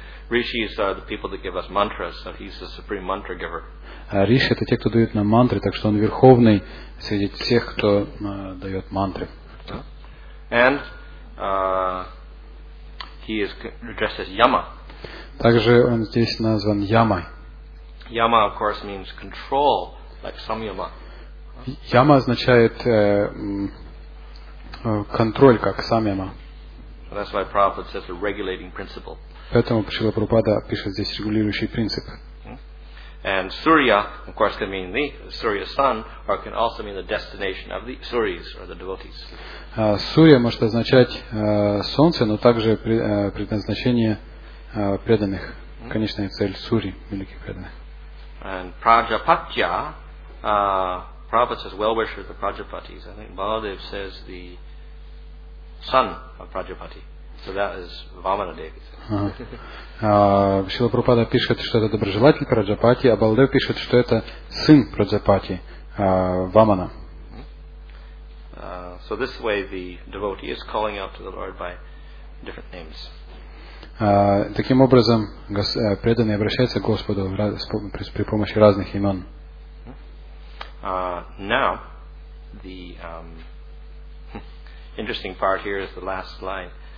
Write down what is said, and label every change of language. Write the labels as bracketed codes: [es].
[en] Rishi is the people that give us mantras, so he's the supreme mantra giver. [ru] Риши это те, кто дает нам мантры, так что он верховный среди всех, кто дает мантры. [en] And he is addressed as Yama. [ru] Также он здесь назван Яма. [en] Yama, of course, means control, like Samyama. [ru] Яма означает контроль, как Самьяма. [en] That's why Prabhupada says a regulating principle. [ru] Поэтому Шрила Прабхупада пишет здесь регулирующий принцип. [en] And Surya, of course, can mean the Surya sun, or can also mean the destination of the Suris or the devotees. [ru] Сурья может означать солнце, но также предназначение преданных, конечная цель Сури, великих преданных. [en] And Prajapatya, Prabhupada says well-wisher of the Prajapatis. I think Baladev says the son of Prajapati. So that is Vamana Devi. [ru] Шрила Прабхупада пишет, что это доброжелатель Праджапати, а Баладев пишет, что это сын Праджапати, Вамана. [en] So this way the devotee is calling out to the Lord by different names. [ru] Таким образом, преданный обращается к Господу при помощи разных имен. [en] Now, the interesting part here is the last line.